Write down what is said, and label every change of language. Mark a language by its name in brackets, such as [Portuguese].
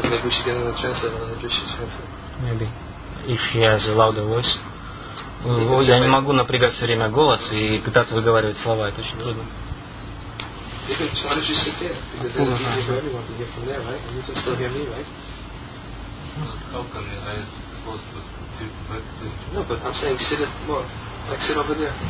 [English] Maybe we should get another translator, another Drishya translator. Maybe. If he has a louder voice. [Russian] Я не могу напрягать все время голос и пытаться выговаривать слова, это очень трудно. [English] Why don't you sit there? Because then it's easy for everyone to hear from there, right? And you can still hear me, right? How come I am supposed to sit back there? No, but I'm saying sit at more. Like sit over there.